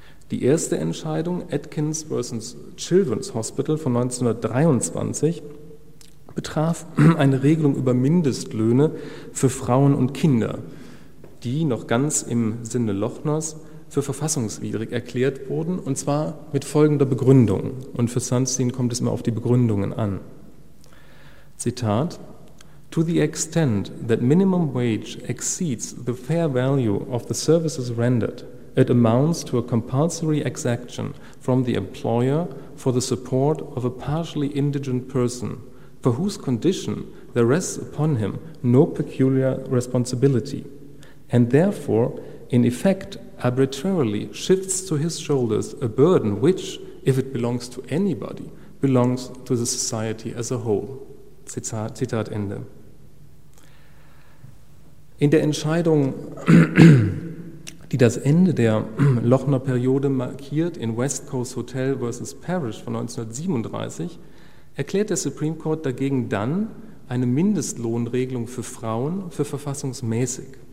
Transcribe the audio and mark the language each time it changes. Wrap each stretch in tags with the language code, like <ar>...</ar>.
<de>Die erste Entscheidung, Atkins versus Children's Hospital von 1923, betraf eine Regelung über Mindestlöhne für Frauen und Kinder, die noch ganz im Sinne Lochners für verfassungswidrig erklärt wurden, und zwar mit folgender Begründung. Und für Sunstein kommt es immer auf die Begründungen an.</de> <en>Zitat: To the extent that minimum wage exceeds the fair value of the services rendered, it amounts to a compulsory exaction from the employer for the support of a partially indigent person, for whose condition there rests upon him no peculiar responsibility, and therefore, in effect, arbitrarily shifts to his shoulders a burden which, if it belongs to anybody, belongs to the society as a whole.</en> <de>Zitat Ende. In der Entscheidung, die das Ende der Lochner-Periode markiert, in West Coast Hotel versus Parrish von 1937, erklärt der Supreme Court dagegen dann eine Mindestlohnregelung für Frauen für verfassungsmäßig.</de>